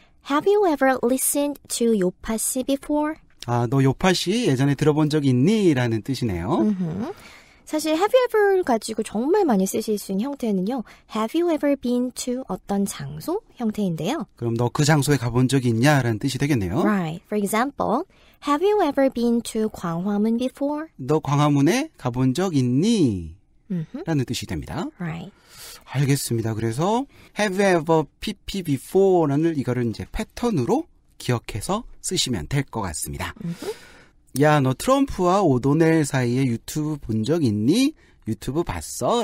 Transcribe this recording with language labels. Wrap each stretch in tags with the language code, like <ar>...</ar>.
<en>Have you ever listened to 요파씨 before?</en> <ko>아, 너 요파씨 예전에 들어본 적 있니? 라는 뜻이네요. Mm-hmm. 사실</ko> <en>have you ever</en> <ko>가지고 정말 많이 쓰실 수 있는 형태는요.</ko> <en>Have you ever been to</en> <ko>어떤 장소? 형태인데요. 그럼 너 그 장소에 가본 적 있냐? 라는 뜻이 되겠네요.</ko> <en>Right. For example, have you ever been to 광화문 before?</en> <ko>너 광화문에 가본 적 있니? 라는 뜻이 됩니다.</ko> <en>Right.</en> <ko>알겠습니다. 그래서</ko> <en>have you ever PP before</en> <ko>라는 이거를 이제 패턴으로 기억해서 쓰시면 될 것 같습니다. 야, 너 트럼프와 오도넬 사이에 유튜브 본 적 있니? 유튜브 봤어?</ko>